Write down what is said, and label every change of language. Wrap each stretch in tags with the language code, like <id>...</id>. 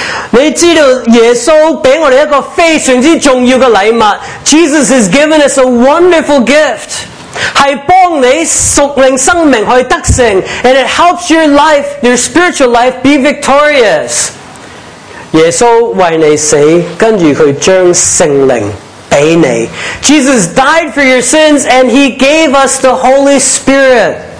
<zh>你知道耶稣给我们一个非常重要的礼物。</zh> <en>Jesus has given us a wonderful gift.</en> <zh>是帮你属灵生命去得胜。</zh> <en>And it helps your life, your spiritual life, be victorious.</en> <zh>耶稣为你死，跟住他将圣灵给你。</zh> <en>Jesus died for your sins and he gave us the Holy Spirit.</en>